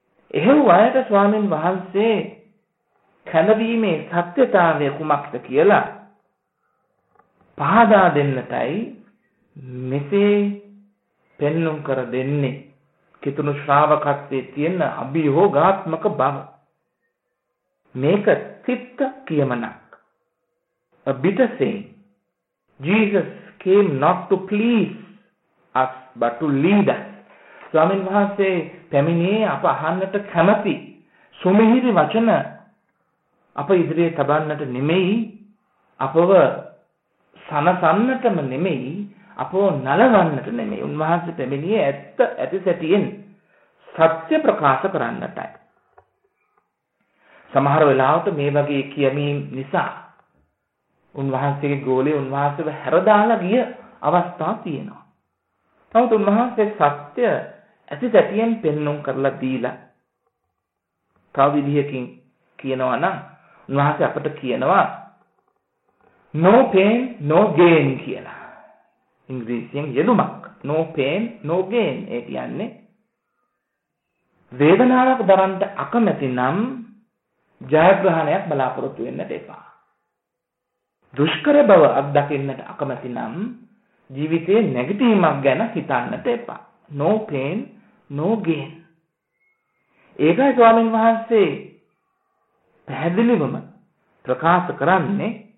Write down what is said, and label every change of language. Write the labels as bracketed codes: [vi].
[si] එහෙව් අයට ස්වාමින් වහන්සේ කැනවීමේ සත්‍යතාවය කුමක්ද කියලා පහදා දෙන්නටයි මෙසේ පෙන්නුම් කර දෙන්නේ. කිතුනු ශ්‍රාවකත්වයේ තියෙන අභියෝගාත්මක බව, මේක සිත්ත කියමනක්. [en] A bitter saying. Jesus came not to please us but to lead us. [si] ස්වාමීන් වහන්සේ පැමිණියේ අප අහන්නට කැමති සුමිහිරි වචන අප ඉදිරියේ තබන්නට නෙමෙයි, අපව සනසන්නටම නෙමෙයි, අපව නලවන්නට නෙමෙයි. උන්වහන්සේ පැමිණියේ ඇත්ත ඇති සැටියෙන් සත්‍ය ප්‍රකාශ කරන්නටයි. සමහර වෙලාවට මේ වගේ කියමීම් නිසා උන්වහන්සේගේ ගෝලයේ උන්වහන්සේව හැරදාලා ගිය අවස්ථා තියෙනවා. නමුත් උන්වහන්සේ සත්‍ය ඇති සැටියෙන් පෙන්නුම් කරලා දීලා තව විදිහකින් කියනවා නම් උන්වහන්සේ අපට කියනවා no pain no gain කියලා. ඉංග්‍රීසියෙන් යෙදුමක් no pain no gain. ඒ කියන්නේ වේදනාවක් දරන්න අකමැති නම් ජයග්‍රහණයක් බලාපොරොත්තු වෙන්න එපා. දුෂ්කර බව අත්දකින්නට අකමැති නම් ජීවිතයේ නැගිටීමක් ගැන හිතන්නට එපා. no pain no gain. ඒකයි ස්වාමීන් වහන්සේ පැහැදිලිවම ප්‍රකාශ කරන්නේ.